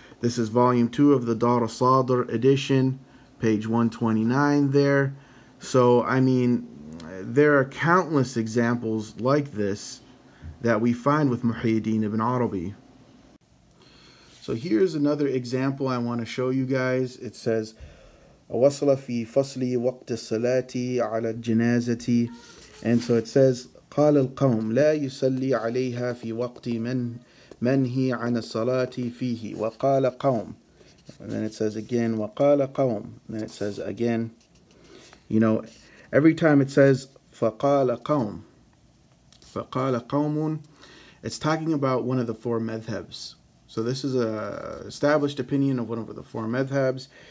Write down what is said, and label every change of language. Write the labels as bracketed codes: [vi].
[en] This is volume 2 of the Dar al-Sadr edition, page 129 there. So, I mean, there are countless examples like this that we find with Muḥiyyiddīn ibn Arabi. So here's another example I want to show you guys. It says, [ar] وصل في فصلي وقت الصلاة على الجنازة. [en] And so it says, [ar] قال القوم لا يصلي عليها في وقت منهي عن الصلاة فيه. وقال قوم. [en] And then it says again, [ar] وقال قوم. [en] And then it says again. You know, every time it says, [ar] فقال قوم. فقال قوم. [en] It's talking about one of the four madhabs. So this is a established opinion of one of the four madhabs.